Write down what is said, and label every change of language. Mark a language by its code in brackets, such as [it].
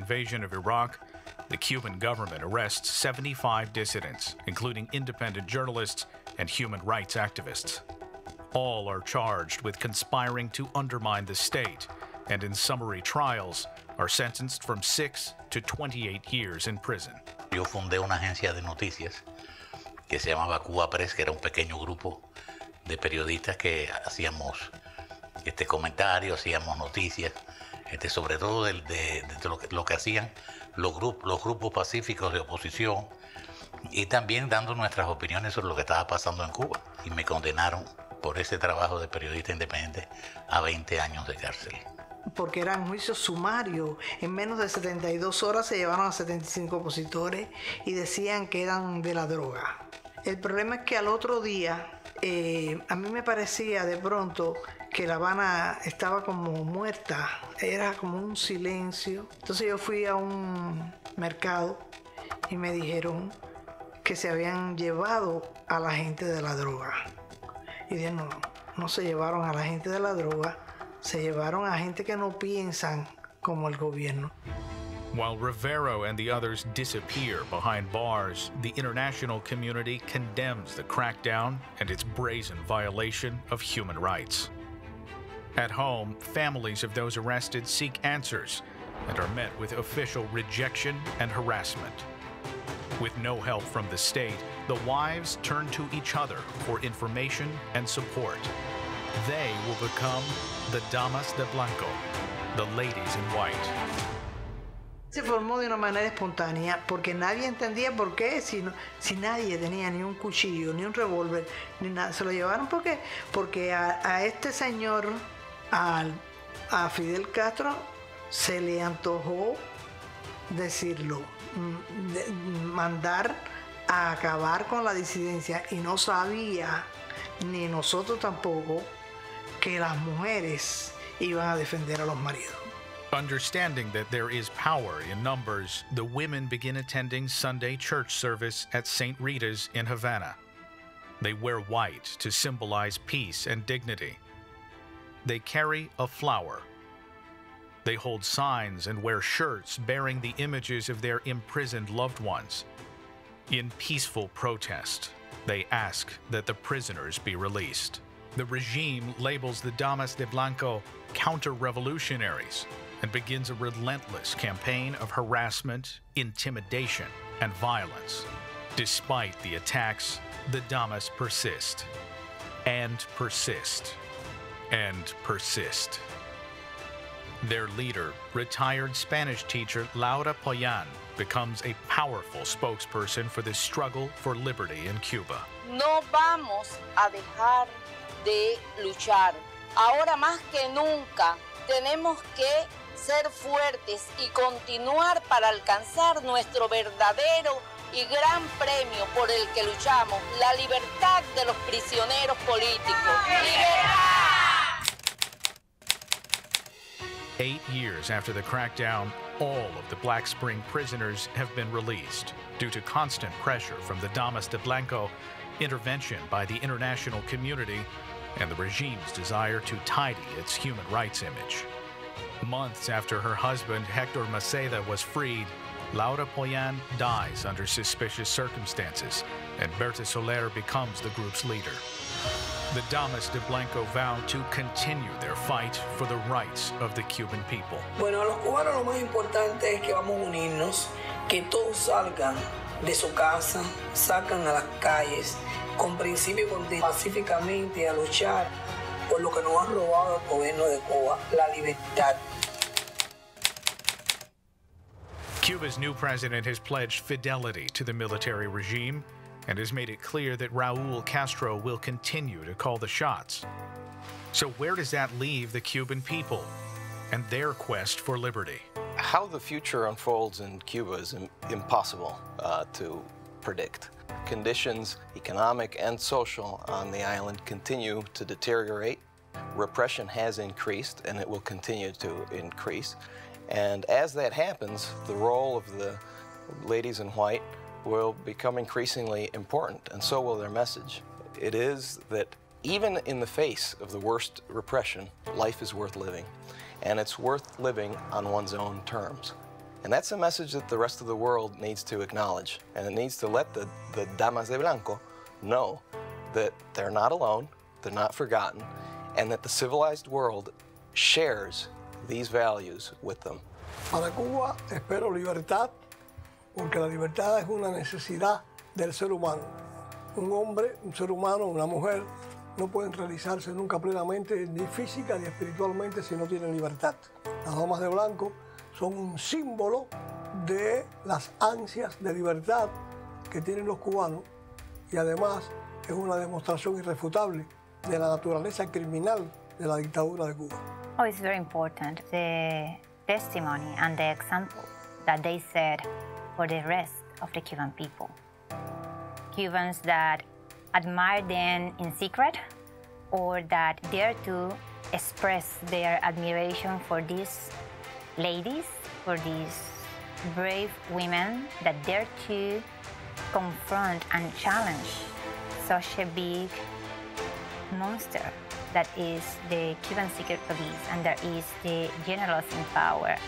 [en] invasion of Iraq, the Cuban government arrests 75 dissidents, including independent journalists and human rights activists. All are charged with conspiring to undermine the state, and in summary trials, are sentenced from 6 to 28 years in prison. [es] Yo fundé una agencia de noticias que se llamaba Cuba Press, que era un pequeño grupo de periodistas que hacíamos comentarios, hacíamos noticias, sobre todo de lo que hacían los grupos pacíficos de oposición y también dando nuestras opiniones sobre lo que estaba pasando en Cuba. Y me condenaron por ese trabajo de periodista independiente a 20 años de cárcel. Porque eran juicios sumarios. En menos de 72 horas se llevaron a 75 opositores y decían que eran de la droga. El problema es que al otro día, a mí me parecía de pronto que La Habana estaba como muerta, era como un silencio. Entonces yo fui a un mercado y me dijeron que se habían llevado a la gente de la droga. Y dije, no, no se llevaron a la gente de la droga, se llevaron a gente que no piensan como el gobierno. [en] While Rivero and the others disappear behind bars, the international community condemns the crackdown and its brazen violation of human rights. At home, families of those arrested seek answers and are met with official rejection and harassment. With no help from the state, the wives turn to each other for information and support. They will become the Damas de Blanco, the ladies in white. [es] Se formó de una manera espontánea porque nadie entendía por qué, si nadie tenía ni un cuchillo, ni un revólver, ni nada. Se lo llevaron porque a este señor, a Fidel Castro, se le antojó decirlo, mandar a acabar con la disidencia, y no sabía, ni nosotros tampoco, que las mujeres iban a defender a los maridos. [en] Understanding that there is power in numbers, the women begin attending Sunday church service at St. Rita's in Havana. They wear white to symbolize peace and dignity. They carry a flower. They hold signs and wear shirts bearing the images of their imprisoned loved ones. In peaceful protest, they ask that the prisoners be released. The regime labels the Damas de Blanco counter-revolutionaries and begins a relentless campaign of harassment, intimidation, and violence. Despite the attacks, the Damas persist and persist and persist. Their leader, retired Spanish teacher Laura Payan, becomes a powerful spokesperson for the struggle for liberty in Cuba. [es] No vamos a dejar de luchar. Ahora más que nunca tenemos que ser fuertes y continuar para alcanzar nuestro verdadero y gran premio por el que luchamos, la libertad de los prisioneros políticos. ¡Libertad! [en] 8 years after the crackdown, all of the Black Spring prisoners have been released. Due to constant pressure from the Damas de Blanco, intervention by the international community, and the regime's desire to tidy its human rights image. Months after her husband, Hector Maceda, was freed, Laura Payan dies under suspicious circumstances, and Berta Soler becomes the group's leader. The Damas de Blanco vowed to continue their fight for the rights of the Cuban people. [es] Bueno, a los cubanos lo más importante es que vamos a unirnos, que todos salgan de su casa, salgan a las calles, con principio y continuo, pacíficamente a luchar por lo que nos han robado el gobierno de Cuba, la libertad. [en] Cuba's new president has pledged fidelity to the military regime and has made it clear that Raul Castro will continue to call the shots. So where does that leave the Cuban people and their quest for liberty? How the future unfolds in Cuba is impossible to predict. Conditions, economic and social, on the island continue to deteriorate. Repression has increased, and it will continue to increase. And as that happens, the role of the ladies in white will become increasingly important, and so will their message. It is that even in the face of the worst repression, life is worth living, and it's worth living on one's own terms. And that's a message that the rest of the world needs to acknowledge, and it needs to let the Damas de Blanco know that they're not alone, they're not forgotten, and that the civilized world shares these values with them. [es] Para Cuba, espero libertad, porque la libertad es una necesidad del ser humano. Un hombre, un ser humano, una mujer, no pueden realizarse nunca plenamente, ni física ni espiritualmente, si no tienen libertad. Las Damas de Blanco son un símbolo de las ansias de libertad que tienen los cubanos, y además es una demostración irrefutable de la naturaleza criminal de la dictadura de Cuba. [en] Oh, it's very important, the testimony and the example that they set for the rest of the Cuban people. Cubans that admire them in secret, or that dare to express their admiration for these ladies, for these brave women that dare to confront and challenge such a big monster that is the Cuban secret police, and there is the generals in power.